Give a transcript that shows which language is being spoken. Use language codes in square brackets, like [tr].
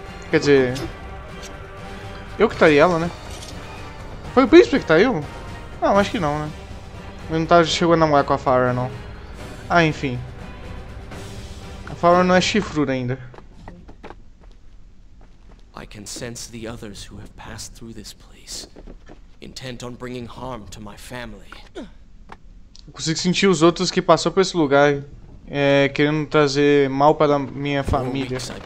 [pt] Quer dizer... eu que traí ela, né? Foi o príncipe que traiu? Não, acho que não, né? Ele não tava chegando a namorar com a Farah, não. Ah, enfim. A Farah não é chifruda ainda. Eu posso sentir os outros que [en] have passed [pt] por esse lugar. [en] Intent on bringing harm to my family. [pt] Eu consigo sentir os outros que passou por esse lugar querendo trazer mal para minha família.